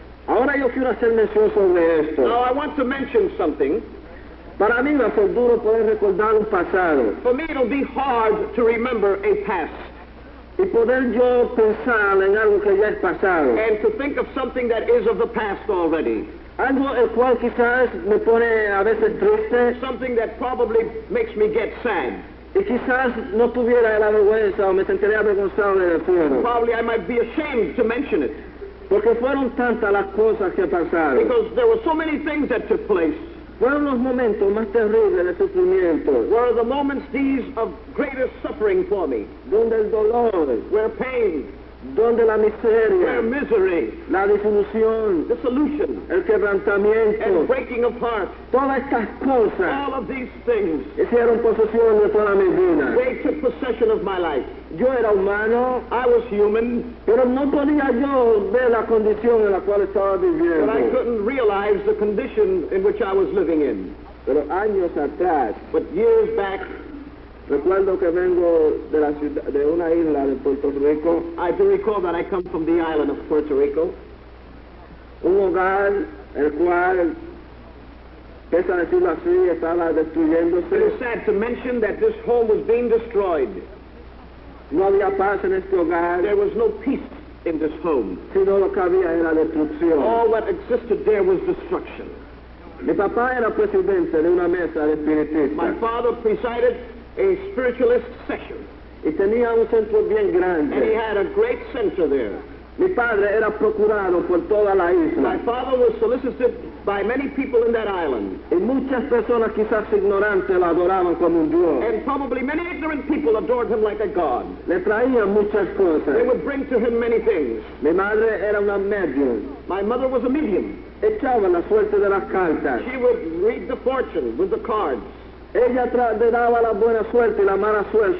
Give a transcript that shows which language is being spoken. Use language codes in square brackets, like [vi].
[es] Ahora yo quiero hacer mención sobre esto. [en] Now I want to mention something. [es] Para mí va a ser duro poder recordar un pasado. [en] For me it'll be hard to remember a past. [es] Y poder yo pensar en algo que ya es pasado. [en] And to think of something that is of the past already. [es] Algo el cual quizás me pone a veces triste. [en] Something that probably makes me get sad. [es] Y quizás no tuviera la vergüenza o me sentiría avergonzado de decirlo. [en] Probably I might be ashamed to mention it. [es] Porque fueron tantas las cosas que pasaron. [en] Because there were so many things that took place. [es] Fueron los momentos más terribles de sufrimiento. [en] Were the moments these of greatest suffering for me. [es] Donde el dolor. [en] Where pain. [es] Donde la miseria. [en] Where misery. [es] La disolución. [en] Dissolution. [es] El quebrantamiento. [en] And breaking apart. [es] Todas estas cosas. [en] All of these things. [es] Hicieron posesión de toda mi vida. [en] They took possession of my life. [es] Yo era humano. [en] I was human. [es] Pero no podía yo ver la condición en la cual estaba viviendo. [en] But I couldn't realize the condition in which I was living in. [es] Pero años atrás. [en] But years back. [es] Recuerdo que vengo de la ciudad, de una isla de Puerto Rico. [en] I do recall that I come from the island of Puerto Rico. [es] Un hogar el cual, pese a decirlo así, estaba destruyéndose. [en] It is sad to mention that this home was being destroyed. [es] No había paz en este hogar. [en] There was no peace in this home. [es] Sino lo que había era destrucción. [en] All that existed there was destruction. [es] Mi papá era presidente de una mesa de espiritistas. [en] My father presided a spiritualist session. [es] Y tenía un centro bien grande. [en] And he had a great center there. [es] Mi padre era procurado por toda la isla. [en] My father was solicited by many people in that island. [es] Y muchas personas quizás ignorantes lo adoraban como un dios. [en] And probably many ignorant people adored him like a god. [es] Le traían muchas cosas. [en] They would bring to him many things. [es] Mi madre era una medium. [en] My mother was a medium. [es] Echaba la suerte de las cartas. [en] She would read the fortune with the cards. [es] Ella le daba la buena suerte y la mala suerte